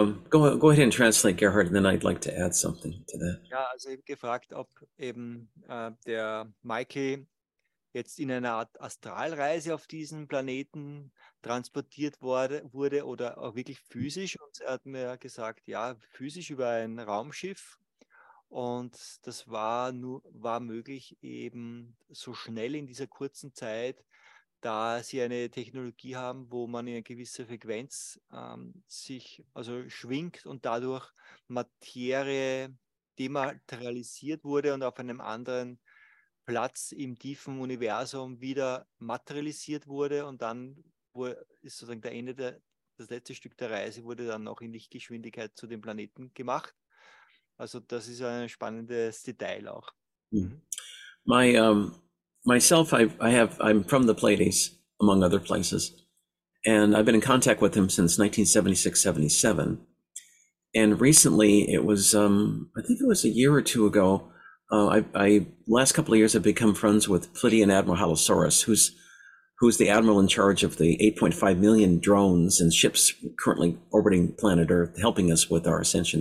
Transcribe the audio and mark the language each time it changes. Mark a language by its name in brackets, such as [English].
[English] Go ahead and translate, Gerhard, and then I'd like to add something to that. [German] Ja, also eben gefragt, ob eben der Maike jetzt in einer Art Astralreise auf diesen Planeten transportiert wurde oder auch wirklich physisch. Und er hat mir gesagt, ja, physisch über ein Raumschiff. Und das war möglich eben so schnell in dieser kurzen Zeit, da sie eine Technologie haben, wo man in einer gewissen Frequenz sich also schwingt und dadurch Materie dematerialisiert wurde und auf einem anderen Platz im tiefen Universum wieder materialisiert wurde, und dann ist sozusagen der Ende, das letzte Stück der Reise wurde dann noch in Lichtgeschwindigkeit zu dem Planeten gemacht. Also das ist ein spannendes Detail auch. [English] I'm from the Pleiades, among other places, and I've been in contact with him since 1976-77. And recently, it was, I think it was a year or two ago, last couple of years I've become friends with Plitian Admiral Halosaurus, who's the admiral in charge of the 8.5 million drones and ships currently orbiting planet Earth, helping us with our ascension.